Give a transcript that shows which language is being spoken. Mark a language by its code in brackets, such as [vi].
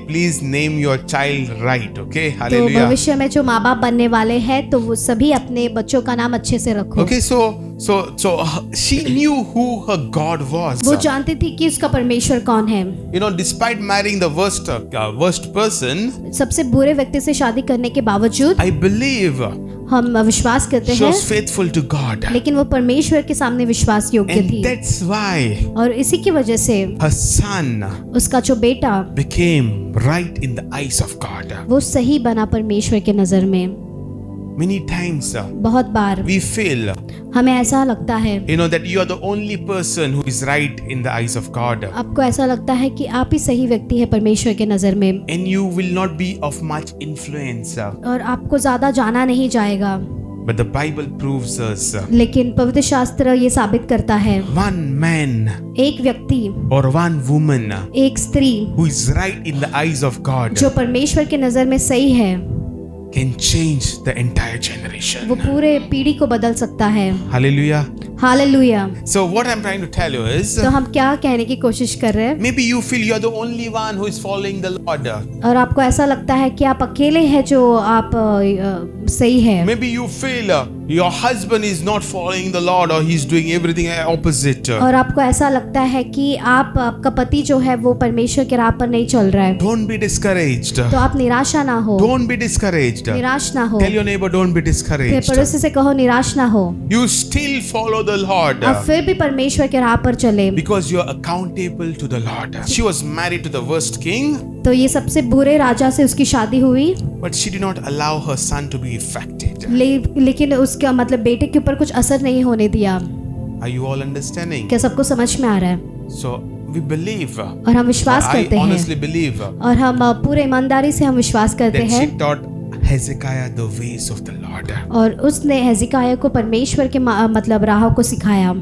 [en] Please name your child right, okay? Hallelujah. [hi] तो भविष्य में जो माँबाप बनने वाले हैं, तो वो सभी अपने बच्चों का नाम अच्छे से रखो. [en] Okay, So she knew who her God was. [hi] वो जानती थी कि उसका परमेश्वर कौन है. [en] You know, despite marrying the worst person, [hi] सबसे बुरे व्यक्ति से शादी करने के बावजूद, [en] I believe. [hi] हम विश्वास करते हैं. [en] She was faithful to God. [hi] लेकिन वो परमेश्वर के सामने विश्वास योग्य थी. [en] And that's why. [hi] और इसी की वजह से, [en] her son. [hi] उसका जो बेटा, [en] became right in the eyes of God. [hi] वो सही बना परमेश्वर के नजर में. [en] Many times, [hi] बहुत बार, [en] we feel. [hi] हमें ऐसा लगता है. [en] You know that you are the only person who is right in the eyes of God. [hi] आपको ऐसा लगता है कि आप ही सही व्यक्ति है परमेश्वर के नजर में. [en] And you will not be of much influence. [hi] और आपको ज़्यादा जाना नहीं जाएगा. [en] But the Bible proves us. [hi] लेकिन पवित्र शास्त्र ये साबित करता है. [en] One man. [hi] एक व्यक्ति. [en] Or one woman. [hi] एक स्त्री. [en] Who is right in the eyes of God. [hi] जो परमेश्वर के नजर में सही है. [en] Can change the entire generation. [hi] वो पूरे पीढ़ी को बदल सकता है. [en] Hallelujah. Hallelujah. So what I'm trying to tell you is. [hi] तो हम क्या कहने की कोशिश कर रहे हैं? [en] Maybe you feel you're the only one who is following the Lord. [hi] और आपको ऐसा लगता है कि आप अकेले हैं जो आप सही हैं. [en] Maybe you feel your husband is not following the Lord or he's doing everything opposite. [hi] और आपको ऐसा लगता है कि आपका पति जो है वो परमेश्वर के राह पर नहीं चल रहा है. [en] Don't be discouraged. [hi] तो आप निराशा ना हो. [en] Don't be discouraged. [hi] निराश ना हो. [en] Tell your neighbor, don't be discouraged. [hi] पड़ोसी से कहो निराश ना हो. [en] You still follow the Lord. [hi] आप फिर भी परमेश्वर के राह पर चले. [en] Because you're accountable to the Lord. She was married to the worst king. [hi] तो ये सबसे बुरे राजा से उसकी शादी हुई. [en] But she did not allow her son to be affected. [hi] लेकिन उसका मतलब बेटे के ऊपर कुछ असर नहीं होने दिया. [en] Are you all understanding? [hi] क्या सबको समझ में आ रहा है? [en] So we believe. [hi] और हम विश्वास करते हैं. [en] I honestly believe. [hi] और हम पूरे ईमानदारी से हम विश्वास करते हैं. [en] That she taught Hezekiah the ways of the Lord. [hi] और उसने हेजिकाया को परमेश्वर के मतलब राहों को सिखाया.